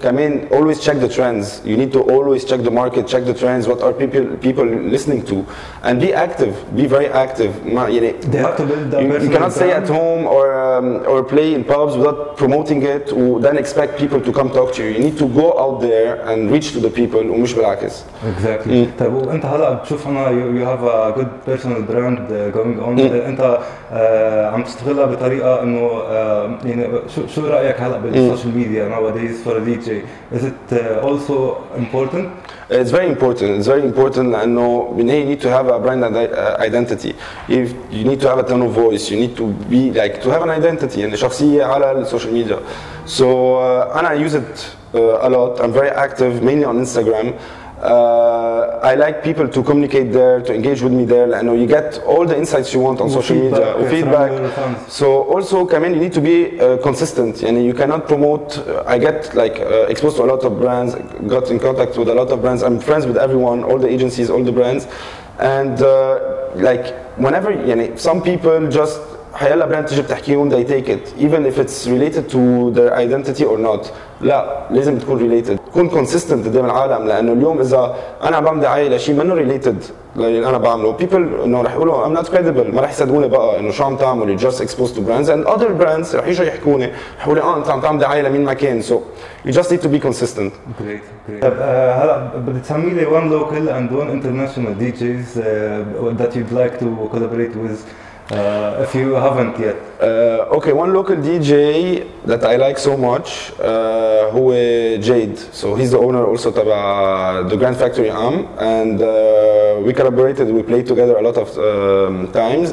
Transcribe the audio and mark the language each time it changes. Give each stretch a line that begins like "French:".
English: كمان always check the trends, you need to always check the market, check the trends, what are people listening to, and be active, be very active. They have to build that you cannot stay at home or play in pubs without promoting it و then expect people to come talk to you. You need to go out there and reach to the people
Arabic: ومش بالعكس.
English: Exactly.
Arabic: طيب وانت هلا بتشوف انا
English: you have a good personal brand going on.
Arabic: انت عم تستغلها بطريقة انه يعني شو رأيك هلا بالسوشيال ميديا
English: nowadays for a DJ? Is it also important? It's very important. It's very important. I know you need to have a brand identity. If you need to have a tone of voice, you need to be like to have an identity and
Arabic: شخصية على
English: social media. So and I use it a lot. I'm very active, mainly on Instagram. I like people to communicate there, to engage with me there. I know you get all the insights you want on social media, feedback. So also, Kamen, you need to be consistent. And you cannot promote. I get like exposed to a lot of brands, got in contact with a lot of brands. I'm friends with everyone, all the agencies, all the brands. And like whenever, you know, some people just
Arabic: حيالا brand تجيب تحكيهم,
English: they take it, even if it's related to their identity or not.
Arabic: لا لازم تكون related. كون consistent قدام العالم لأنه اليوم إذا أنا عم بعمل دعاية لشيء منه related اللي أنا بعمله
English: people
Arabic: إنه رح يقولوا
English: I'm not credible
Arabic: ما رح يصدقوني بقى إنه شو عم تعمل
English: you just exposed to brands and other brands
Arabic: رح يجوا يحكوني رح يقولوا أنت عم تعمل دعاية لمين ما كان
English: so you just need to be consistent. Great.
Arabic: هلا بدي تسمي لي
English: one local and one international DJs that you'd like to collaborate with. If you haven't yet. Okay, one local DJ that I like so much, who is Jade. So he's the owner also of the Grand Factory Am. And we collaborated, we played together a lot of times.